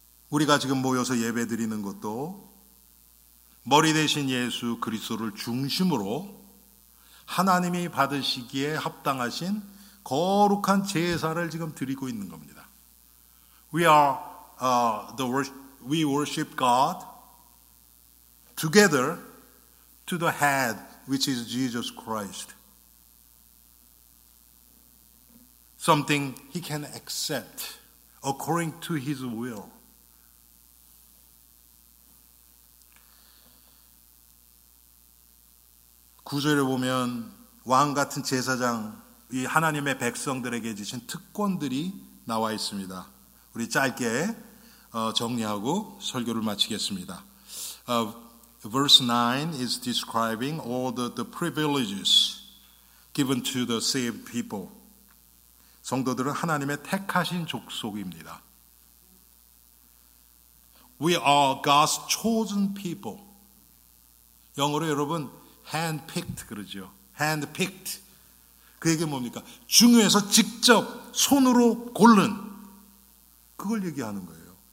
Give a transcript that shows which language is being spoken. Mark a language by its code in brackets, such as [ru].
[ko] 우리가 지금 모여서 예배드리는 것도 머리 대신 예수 그리스도를 중심으로 하나님이 받으시기에 합당하신 거룩한 제사를 지금 드리고 있는 겁니다. [en] We worship God together to the head, which is Jesus Christ. Something he can accept according to his will. [ko] 구절에 보면 왕 같은 제사장, 이 하나님의 백성들에게 주신 특권들이 나와 있습니다. 우리 짧게 정리하고 설교를 마치겠습니다. [en] Verse 9 is describing all the privileges given to the saved people. [ko] 성도들은 하나님의 택하신 족속입니다. [en] We are God's chosen people. [ko] 영어로 여러분 handpicked 그러죠. Handpicked. 그 얘기는 뭡니까? 중에서 직접 손으로 고른. 그걸 얘기하는 거예요.